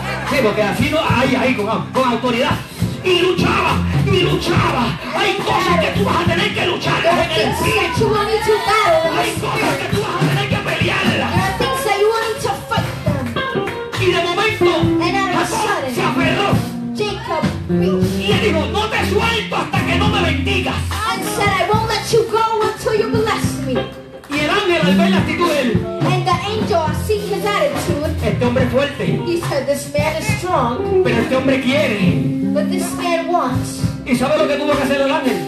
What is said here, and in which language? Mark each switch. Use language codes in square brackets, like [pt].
[es] Sí, porque así no, ahí con autoridad. Y luchaba. Hay cosas que tú vas a tener que luchar en el espíritu. [en] That you want me to battle. [es] Hay cosas que tú vas a tener que pelearla. [en] There are things that you want me to fight them. [es] Y de momento, [en] and out of sudden, [es] se aferró. [en] Jacob reached. [es] Y le dijo, no te suelto hasta que no me bendigas. [en] And said, I won't let you go until you bless me. [es] Y el ángel al ver la actitud de él. [en] And the angel, seeing his attitude. [es] Este hombre es fuerte. [en] He said, this man is strong. [es] Pero este hombre quiere. [en] But this man wants. [es] ¿Y sabe lo que tuvo que hacer el ángel?